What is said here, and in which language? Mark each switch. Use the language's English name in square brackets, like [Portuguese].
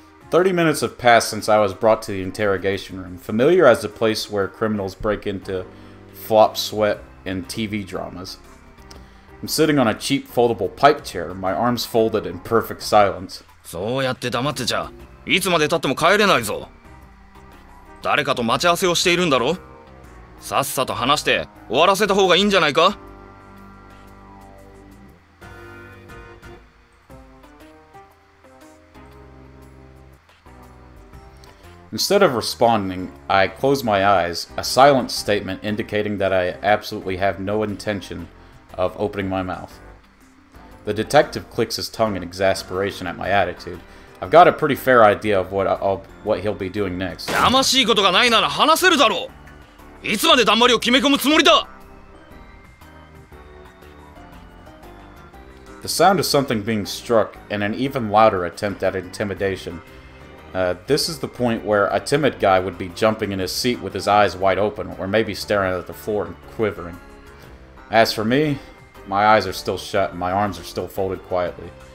[English] 30 minutes have passed since I was brought to the interrogation room, familiar as the place where criminals break into flop sweat and TV dramas. I'm sitting on a cheap foldable pipe chair, my arms folded in perfect silence. [Japanese] そうやって黙ってちゃ、いつまで経っても帰れないぞ。誰かと待ち合わせをしているんだろう。さっさと話して終わらせた方がいいんじゃないか。 [English] Instead of responding, I close my eyes, a silent statement indicating that I absolutely have no intention of opening my mouth. The detective clicks his tongue in exasperation at my attitude. I've got a pretty fair idea of what he'll be doing next. [Japanese] やましいことがないなら話せるだろう。いつまでだんまりを決め込むつもりだ。 [English] The sound of something being struck and an even louder attempt at intimidation. This is the point where a timid guy would be jumping in his seat with his eyes wide open, or maybe staring at the floor and quivering. As for me, my eyes are still shut and my arms are still folded quietly.